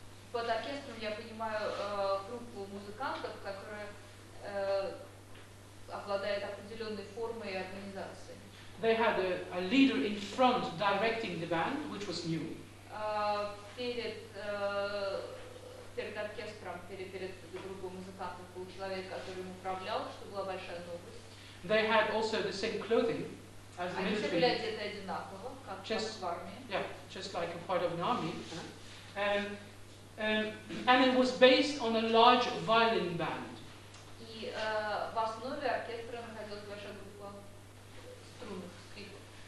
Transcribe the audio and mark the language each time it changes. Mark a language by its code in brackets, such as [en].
[ru] Под оркестром я понимаю группу музыкантов, которая обладает определенной формой и организацией. [en] They had a leader in front directing the band, which was new. [ru] Перед оркестром, перед группой музыкантов был человек, который им управлял, что была большая новость. [en] They had also the same clothing as the military. [ru] Они были одеты одинаково, как в армии. [en] Yeah, just like a part of an army. And it was based on a large violin band. [ru] И в основе оркестра находилась большая группа струнных скрипок.